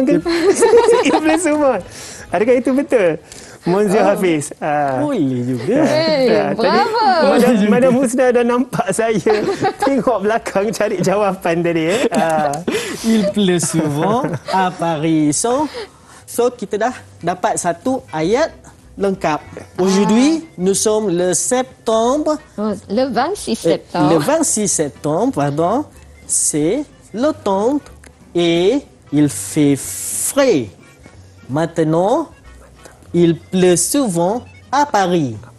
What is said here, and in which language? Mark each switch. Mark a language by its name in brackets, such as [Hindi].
[French] Il pleut souvent. [Malay] Adakah itu betul? [French] Monzio Hafiz. [Malay] Boleh juga. [French] Bravo. [Malay] Mana Musna dah nampak saya tengok belakang cari jawapan tadi. [French] Il pleut souvent à Paris. [Malay] So, kita dah dapat satu ayat lengkap. [French] Aujourd'hui, nous sommes le septembre. Le 26 septembre. Le 26 septembre, pardon. C'est l'automne et il fait frais. Maintenant, il pleut souvent à Paris.